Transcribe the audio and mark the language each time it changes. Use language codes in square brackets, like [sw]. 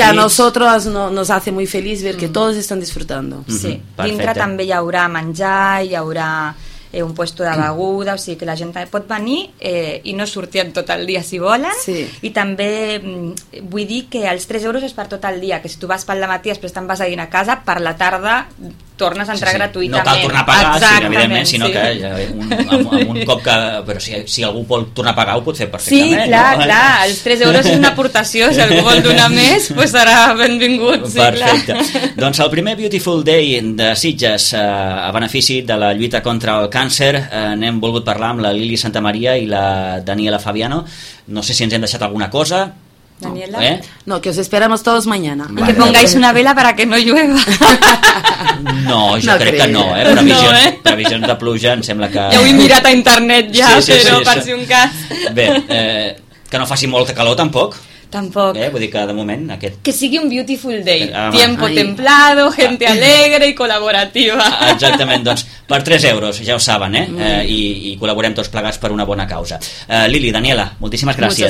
[es] Que a nosotros nos hace muy feliz ver que todos están disfrutando. [ca] Sí, dintre també hi haurà menjar, hi haurà un puesto de beguda, o sigui que la gent també pot venir i no sortir tot el dia si volen, i també vull dir que els 3 euros és per tot el dia, que si tu vas pel dematí i després te'n vas a dinar a casa, per la tarda tornes a entrar gratuïtament. No cal tornar a pagar, sinó que amb un cop que... Però si algú vol tornar a pagar, ho pot fer perfectament. Sí, clar, els 3 euros és una aportació, si algú vol donar més, doncs serà benvingut. Sí, perfecte. Clar. Doncs el primer Beautiful Day de Sitges a benefici de la lluita contra el càncer, n'hem volgut parlar amb la Lili Santamaria i la Daniela Fabiano. No sé si ens hem deixat alguna cosa... Daniela, [es] No, que os esperamos todos mañana. Vale. Y que pongáis una vela para que no llueva. [ca] No, jo no crec que no, previsions de pluja, em sembla que... Ja ho he mirat a internet ja, per si un cas. Bé, que no faci molta calor tampoc. Tampoc. Vull dir que de moment aquest... Que sigui un beautiful day. [es] Tiempo templado, gente alegre y colaborativa. [ca] Exactament, doncs per 3 euros, ja ho saben, i col·laborem tots plegats per una bona causa. Lili, Daniela, moltíssimes gràcies.